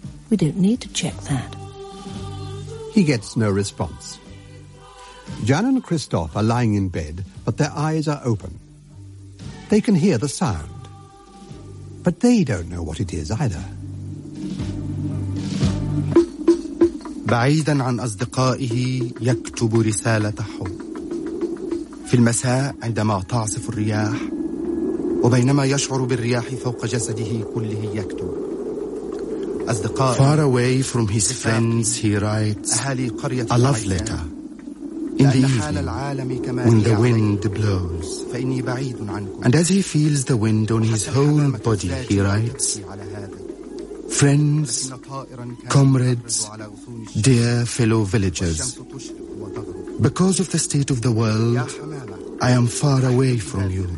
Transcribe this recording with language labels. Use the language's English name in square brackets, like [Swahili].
[English] We don't need to check that. He gets no response. Jeanne and Christophe are lying in bed, but their eyes are open. They can hear the sound. But they don't know what it is either. [Arabic] بعيداً عن أصدقائه يكتب رسالة حب. في المساء عندما تعصف الرياح وبينما يشعر بالرياح فوق جسده كله يكتب. [English] Far away from his friends, he writes a love letter. In the evening, when the wind blows, and as he feels the wind on his whole body, he writes, friends, comrades, dear fellow villagers, because of the state of the world, I am far away from you.